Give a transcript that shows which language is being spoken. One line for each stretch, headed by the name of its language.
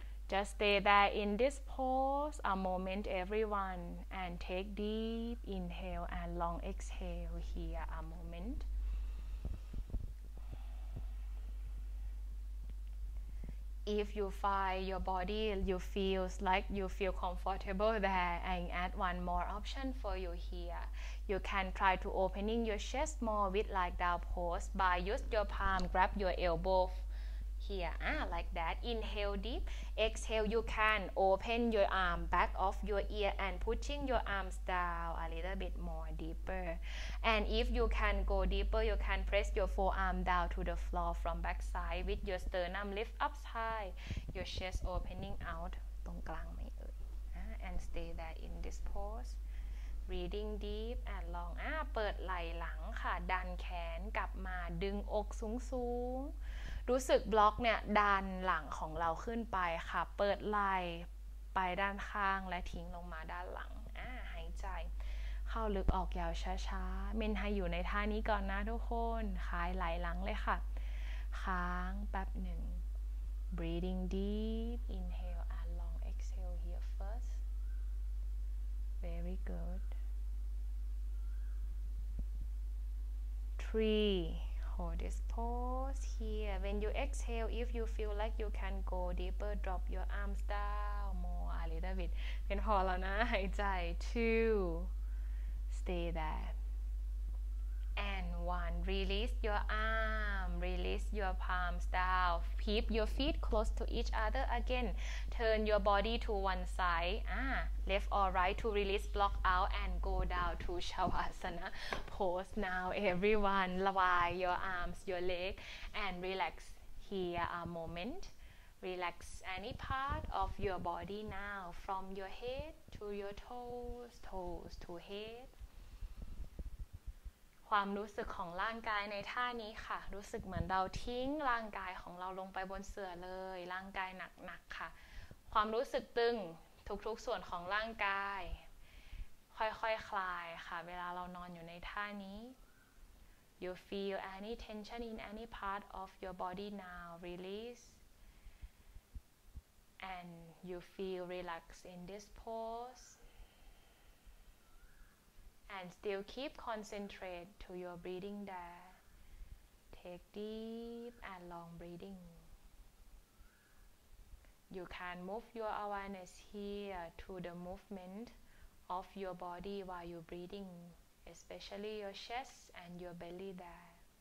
English: just stay there in this pose a moment everyone and take deep inhale and long exhale here a momentIf you find your body, you feel like you feel comfortable there, and add one more option for you here. You can try to opening your chest more with like down pose by use your palm, grab your elbow here, like that. Inhale deep, exhale. You can open your arm back of your ear and pushing your arms down a little bit more deeper. And if you can go deeper, you can press your forearm down to the floor from back side with your sternum lift up high, your chest opening out
Thai: ตรงกลางไม่เอ่ย
English: and stay there in this pose. Breathing deep and long.
Thai: เปิดไหล่หลังค่ะดันแขนกลับมาดึงอกสูงสูงรู้สึกบล็อกเนี่ยดันหลังของเราขึ้นไปค่ะเปิดไหล่ไปด้านข้างและทิ้งลงมาด้านหลังหายใจ เข้าลึกออกยาวช้าช้าเมนให้อยู่ในท่านี้ก่อนนะทุกคนคลายไหล่หลังเลยค่ะค้างแป๊บหนึ่ง
English: breathing deep inhale and long exhale here first very good threeHold this pose here. When you exhale, if you feel like you can go deeper, drop your arms down more a little bit.
Thai: เป็นพอแล้วนะหายใจ
English: Two. Stay there. And one, release your arm, release your palms down. Keep your feet close to each other again. Turn your body to one side, left or right to release block out and go down to Shavasana pose. Now everyone, lower your arms, your leg and relax here a moment. Relax any part of your body now, from your head to your toes, toes to head.
Thai: ความรู้สึกของร่างกายในท่านี้ค่ะรู้สึกเหมือนเราทิ้งร่างกายของเราลงไปบนเสื่อเลยร่างกายหนักๆค่ะความรู้สึกตึงทุกๆส่วนของร่างกาย ค่อยๆ คลายค่ะเวลาเรานอนอยู่ในท่านี้
English: You feel any tension in any part of your body now release and you feel relaxed in this poseAnd still keep concentrate to your breathing there. Take deep and long breathing. You can move your awareness here to the movement of your body while you're breathing, especially your chest and your belly there.